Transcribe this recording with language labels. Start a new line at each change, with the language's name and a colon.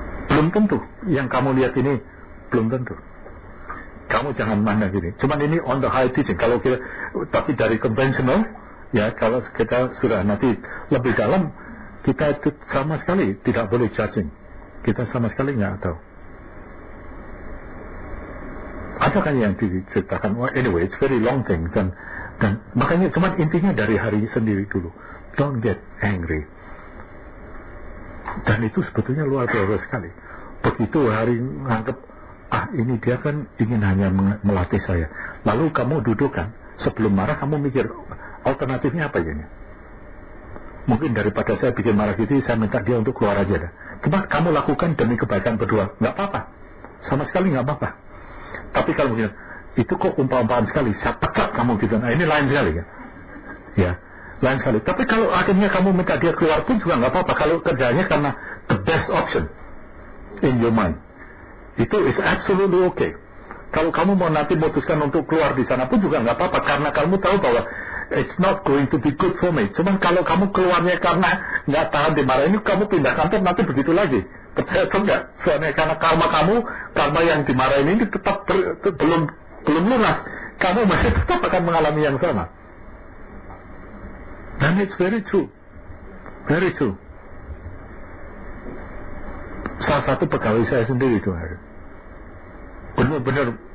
Indonesian: Belum tentu yang kamu lihat ini, belum tentu. Kamu jangan mana gini. Cuman ini
English: on the high teaching.
Indonesian: Kalau kita, tapi dari conventional, ya kalau kita sudah nanti lebih dalam, kita itu sama sekali tidak boleh judging. Kita sama sekali nggak tahu. Ada kan yang diceritakan,
English: well, anyway, it's very long thing.
Indonesian: Dan makanya cuma intinya dari hari sendiri dulu.
English: Don't get angry.
Indonesian: Dan itu sebetulnya luar biasa sekali. Begitu hari nganggap, ah ini dia kan ingin hanya melatih saya. Lalu kamu dudukkan, sebelum marah kamu mikir, alternatifnya apa ya? Mungkin daripada saya bikin marah gitu, saya minta dia untuk keluar aja. Cuma kamu lakukan demi kebaikan berdua. Nggak apa-apa. Sama sekali nggak apa-apa. Tapi kalau begini, itu kok umpah-umpahan sekali, saya pecat kamu gitu. Nah ini lain sekali ya. Ya, lain sekali. Tapi kalau akhirnya kamu minta dia keluar pun juga gak apa-apa. Kalau kerjanya karena
English: the best option in your mind,
Indonesian: itu
English: is absolutely okay.
Indonesian: Kalau kamu mau nanti memutuskan untuk keluar di sana pun juga gak apa-apa. Karena kamu tahu bahwa
English: it's not going to be good for me.
Indonesian: Cuman kalau kamu keluarnya karena gak tahan dimarah ini, kamu pindah kantor nanti begitu lagi. Percaya atau enggak, soalnya karena karma kamu, karma yang dimarahin ini tetap belum lunas, kamu masih tetap akan mengalami yang sama.
English: And it's very true, very true.
Indonesian: Salah satu pegawai saya sendiri itu benar-benar